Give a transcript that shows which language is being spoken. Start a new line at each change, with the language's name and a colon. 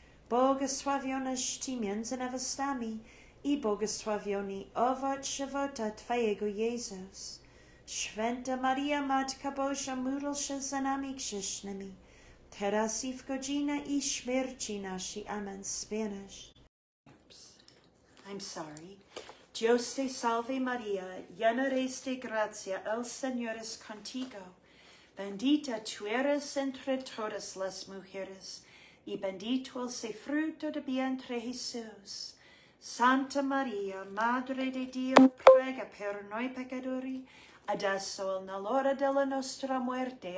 Polish: Bogosławionaś ty między nevestami, i bogosławioni owoc żywota Twojego, Jezus. Święta Maria, Matka Boża, módl się za nami grzesznymi, teraz i w godzinę i śmierci naszej.
English: Amen. Spanish. I'm sorry.
Spanish: Dios te salve Maria, llena eres de gracia, el Señor es contigo. Bendita tú eres entre todas las mujeres, y bendito es el fruto de vientre, Jesús.
Italian: Santa Maria, Madre de Dio, prega per noi peccatori, adesso e nell'ora della nostra morte.